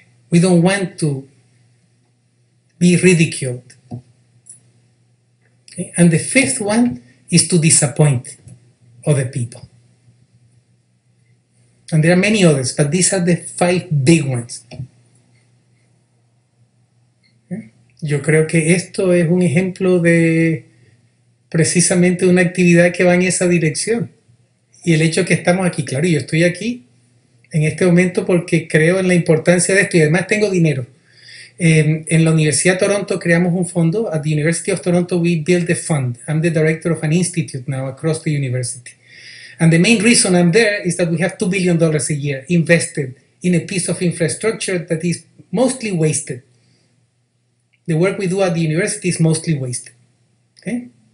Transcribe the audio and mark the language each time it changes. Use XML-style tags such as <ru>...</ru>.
<en>We don't want to be ridiculed. Okay? And the fifth one is to disappoint other people. And there are many others, but these are the five big ones. Okay?</en> <es>Yo creo que esto es un ejemplo de precisamente una actividad que va en esa dirección. Y el hecho que estamos aquí, claro, yo estoy aquí en este momento porque creo en la importancia de esto y además tengo dinero. En la Universidad de Toronto creamos un fondo.</es> <en>At the University of Toronto we built a fund. I'm the director of an institute now across the university. And the main reason I'm there is that we have $2 billion a year invested in a piece of infrastructure that is mostly wasted. The work we do at the university is mostly wasted. Okay?</en>